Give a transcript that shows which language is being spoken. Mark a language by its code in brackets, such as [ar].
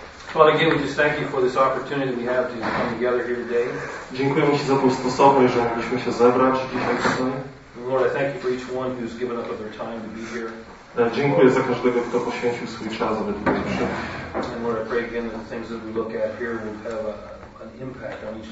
[en] Father, again, we just thank you for this opportunity we have to come together here today. [pl] Dziękujemy Ci za tą sposobność, że mogliśmy się zebrać dzisiaj tutaj. [en] Lord, I thank you for each one who's given up of their time to be here. [pl] Dziękuję za każdego, kto poświęcił swój czas, aby tutaj przyjść. [en] And Lord, I pray again that the things that we look at here will have an impact on each